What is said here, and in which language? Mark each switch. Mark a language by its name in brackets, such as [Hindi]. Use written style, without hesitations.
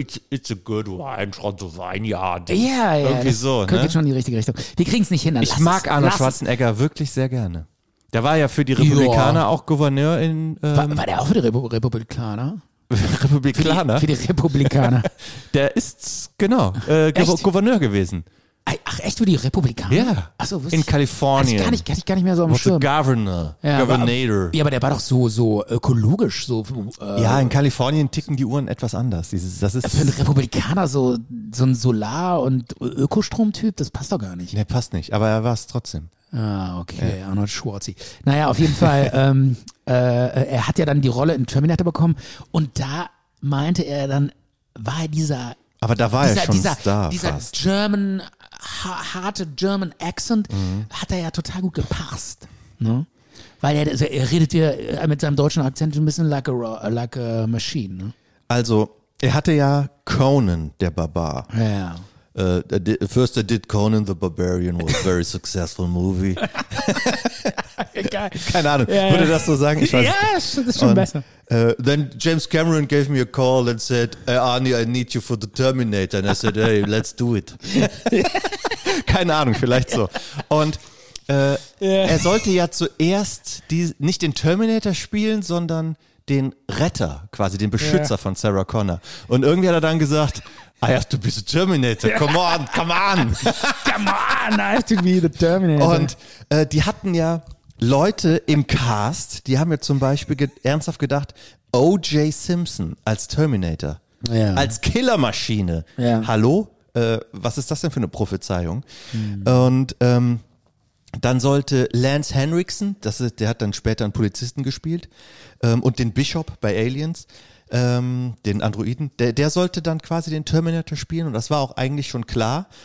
[English] It's a good wine from the vineyard. [German] Ja, yeah, ja. Irgendwie so. Könnte schon in die richtige Richtung. Wir kriegen es nicht hin. Ich mag Arnold Schwarzenegger wirklich sehr gerne. Der war ja für die Republikaner auch Gouverneur in... War der auch für die Republikaner? Republikaner? Für die Republikaner. Der ist, Gouverneur gewesen. Ach, echt für die Republikaner? Ja. Ach so, in Kalifornien. Also gar nicht mehr so am Schirm. Governor. Ja, Governator. Aber der war doch so ökologisch. So, in Kalifornien ticken die Uhren etwas anders. Für einen Republikaner so ein Solar- und Ökostromtyp, das passt doch gar nicht. Nee, passt nicht, aber er war es trotzdem. Ah, okay, Arnold Schwarzi. Naja, auf jeden Fall, er hat ja dann die Rolle in Terminator bekommen und da meinte er dann, war er dieser... Aber da war dieser, er schon dieser, Star dieser fast. German, harte German Accent hat er ja total gut gepasst, ne? Weil er redet ja mit seinem deutschen Akzent ein bisschen [English] like a machine, [German] ne? Also, er hatte ja Conan, der Barbar. Ja, ja. [English] First I did Conan the Barbarian, was a very successful movie. [German] Keine Ahnung, yeah, würde das so sagen? Ja, yeah, das ist schon besser. [English] Then James Cameron gave me a call and said, Arnie, I need you for the Terminator. And I said, hey, let's do it. [German] Keine Ahnung, vielleicht so. Und er sollte ja zuerst nicht den Terminator spielen, sondern den Retter, quasi den Beschützer von Sarah Connor. Und irgendwie hat er dann gesagt, [English] I have to be the Terminator, come on. Come on, I have to be the Terminator. [German] Und die hatten ja Leute im Cast, die haben ja zum Beispiel ernsthaft gedacht, O.J. Simpson als Terminator, als Killermaschine. Ja. Hallo? Was ist das denn für eine Prophezeiung? Und dann sollte Lance Henriksen, der hat dann später einen Polizisten gespielt, und den Bishop bei Aliens, den Androiden, der sollte dann quasi den Terminator spielen und das war auch eigentlich schon klar.